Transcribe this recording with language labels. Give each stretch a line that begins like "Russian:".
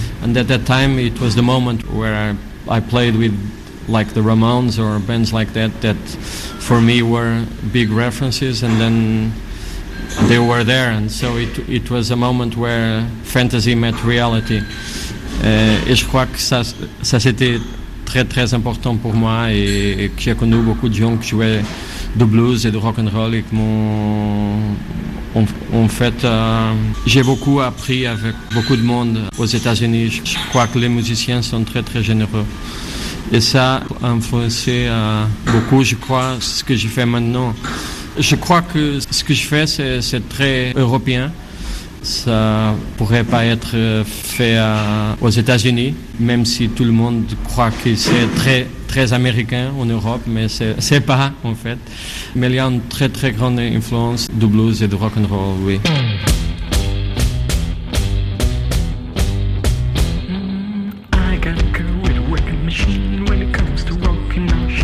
English: And at that time, it was the moment where I played with like the Ramones or bands like that that for me were big references. And then they were there, and so it was a moment where fantasy met reality.
French: Et je crois que ça c'était très très important pour moi, et que j'ai connu beaucoup de gens qui jouaient du blues et du rock and roll, et que j'ai beaucoup appris avec beaucoup de monde aux États-Unis. Je crois que les musiciens sont très très généreux, et ça a influencé beaucoup, je crois, ce que je fais maintenant. Je crois que ce que je fais, c'est très européen. Ça pourrait pas être fait aux États-Unis, même si tout le monde croit que c'est très, très américain en Europe, mais c'est pas, en fait. Mais il y a une très, très grande influence du blues et du rock'n'roll, oui.
English: I got a girl with a wicked machine when it comes to walking on.